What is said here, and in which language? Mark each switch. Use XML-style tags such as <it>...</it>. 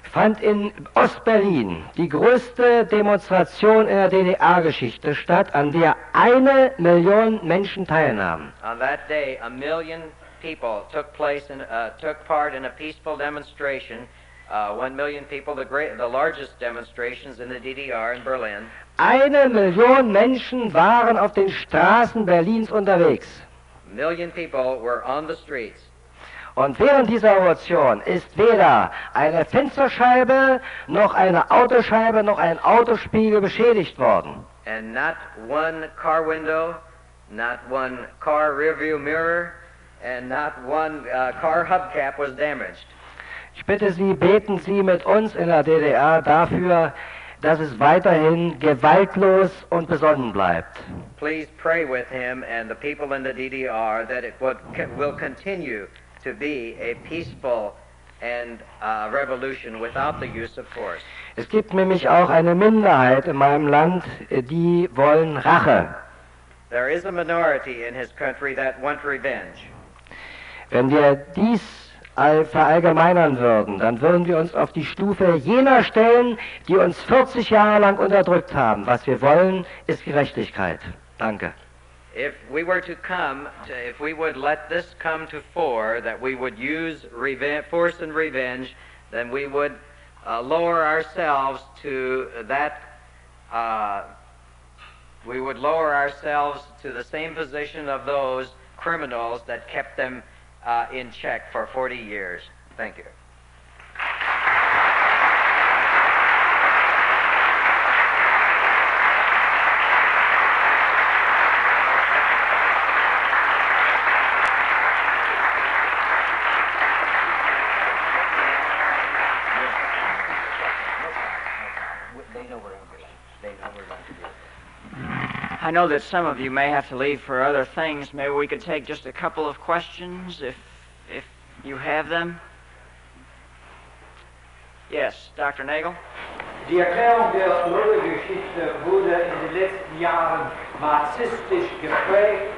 <de>fand in Ost-Berlin die größte Demonstration in der DDR-Geschichte statt, an der 1 Million Menschen teilnahmen.</de> <en>On that day, 1 million people took place in, took part in a peaceful demonstration. 1 million people, the largest demonstrations in the DDR in Berlin.</en> <de>1 million Menschen waren auf den Straßen Berlins unterwegs.</de> <en>1 million people were on the streets.</en> <de>Und während dieser Revolution ist weder eine Fensterscheibe, noch eine Autoscheibe, noch ein Autospiegel beschädigt worden.</de> <en>And not one car window, not one car rearview mirror, and not one car hubcap was damaged.</en> <de>Ich bitte Sie, beten Sie mit uns in der DDR dafür, dass es weiterhin gewaltlos und besonnen bleibt.</de> <en>Please pray with him and the people in the DDR that it will continue to be a peaceful and revolution without the use of force.</en> <de>Es gibt nämlich auch eine Minderheit in meinem Land, die wollen Rache.</de> <en>There is a minority in his country that want revenge.</en> <de>Wenn wir dies verallgemeinern würden, dann würden wir uns auf die Stufe jener stellen, die uns 40 Jahre lang unterdrückt haben. Was wir wollen, ist Gerechtigkeit. Danke.</de> <en>If we were to come, to, if we would let this come to fore, that we would use force and revenge, then we would lower ourselves to that, we would lower ourselves to the same position of those criminals that kept them in check for 40 years. Thank you. I know that some of you may have to leave for other things. Maybe we could take just a couple of questions, if you have them. Yes, Dr. Nagel.</en> <de>Die Erklärung der Mördergeschichte wurde in den letzten Jahren marxistisch geprägt.</de>